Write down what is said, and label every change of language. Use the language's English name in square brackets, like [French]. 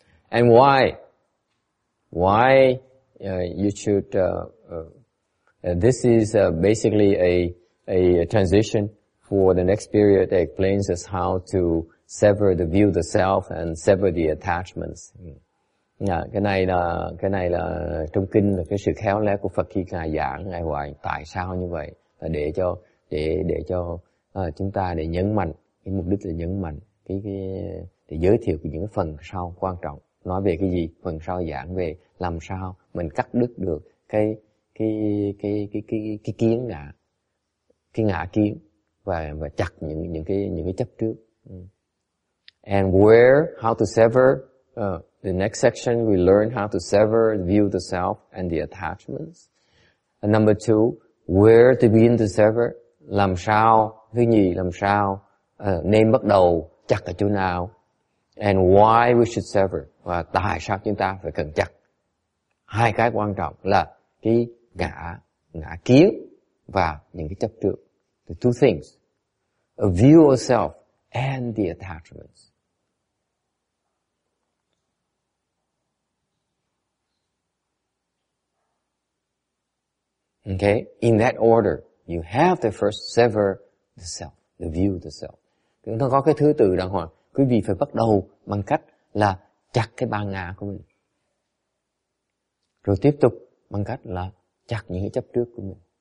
[English] And why you should this is basically a transition for the next period that explains us how to sever the view of the self and sever the attachments. [Vietnamese] Cái này là trong kinh là cái sự khéo léo của Phật khi ngài giảng, ngài hỏi tại sao như vậy, là để cho chúng ta để nhấn mạnh cái mục đích, là nhấn mạnh cái để giới thiệu những phần sau quan trọng, nói về cái gì, phần sau giảng về làm sao mình cắt đứt được cái kiến ngã, cái ngã kiến, và chặt những cái chấp trước. [English] And where, how to sever The next section, we learn how to sever the view of the self and the attachments. And number two, where to begin to sever. [Vietnamese] Làm sao, thứ nhì, làm sao, nên bắt đầu, chặt ở chỗ nào. [English] And why we should sever. [Vietnamese] Và tại sao chúng ta phải cần chặt. Hai cái quan trọng là cái ngã, ngã kiến và những cái chấp trước. [English] The two things. A view of self and the attachments. Okay, in that order, you have to first sever the self, the view of the self. [Vietnamese] Nó có cái thứ tự đàng hoàng. Quý vị phải bắt đầu bằng cách là chặt cái ba ngã của mình. Rồi tiếp tục bằng cách là chặt những cái chấp trước của mình.